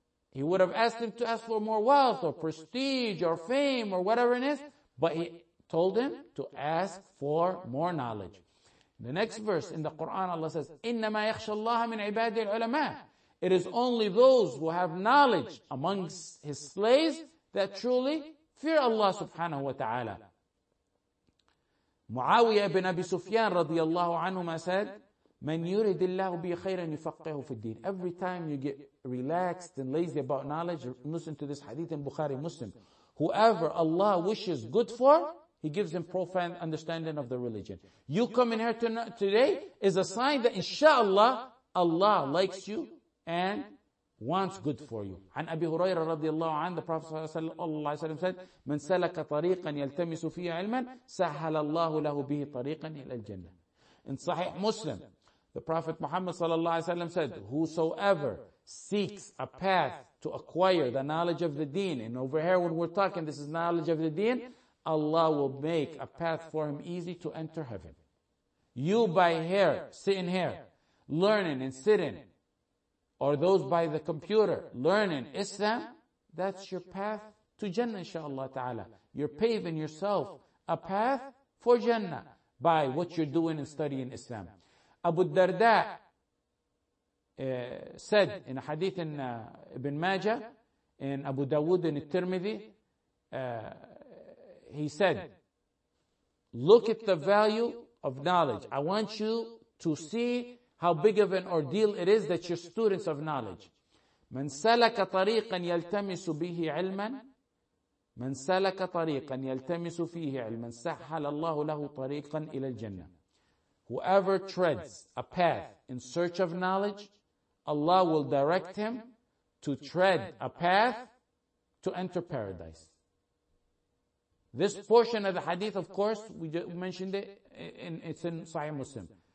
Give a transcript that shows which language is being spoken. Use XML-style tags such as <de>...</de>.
<en>He would have asked him to ask for more wealth or prestige or fame or whatever it is, but He told him to ask for more knowledge. The next verse in the Quran, Allah says,</en> <ar>إِنَّمَا يَخْشَ اللَّهَ مِنْ عِبَادِ الْعُلَمَاءِ.</ar> <en>It is only those who have knowledge amongst His slaves that truly fear Allah subhanahu wa ta'ala. Muawiyah ibn Abi Sufyan radiyallahu anhuma said,</en> <ar>مَنْ يُرِدِ اللَّهُ بِي خَيْرًا يُفَقِّهُ فِي الدِّينِ.</ar> <en>Every time you get relaxed and lazy about knowledge, listen to this hadith in Bukhari Muslim. Whoever Allah wishes good for, He gives him profound understanding of the religion. You coming here today is a sign that inshallah, Allah likes you and wants good for you.</en> <ar>عن أبي هريرة رضي الله عنه,</ar> <en>the Prophet صلى الله عليه وسلم said,</en> <ar>من سلك طريقا يلتمس فيه علما سهل الله له به طريقا إلى الجنة.</ar> <en>In Sahih Muslim, the Prophet Muhammad صلى الله عليه وسلم said, whosoever seeks a path to acquire the knowledge of the deen. And over here, when we're talking, this is knowledge of the deen, Allah will make a path for him easy to enter heaven. You by here, sitting here, learning and sitting, or those by the computer, learning Islam, that's your path to Jannah, inshaAllah ta'ala. You're paving yourself a path for Jannah by what you're doing and studying Islam. Abu Darda said in a hadith in Ibn Majah, in Abu Dawood in Tirmidhi, he said, look at the value of knowledge. I want you to see how big of an ordeal it is that you're students of knowledge.</en> <ar>من سلك طريقا يلتمس به علما من سلك طريقا يلتمس فيه علما سهل الله له طريقا إلى الجنة.</ar> <en>Whoever treads a path in search of knowledge, Allah will direct him to tread a path to enter paradise. This portion of the hadith, of course, we mentioned it, it's in Sahih Muslim.</en>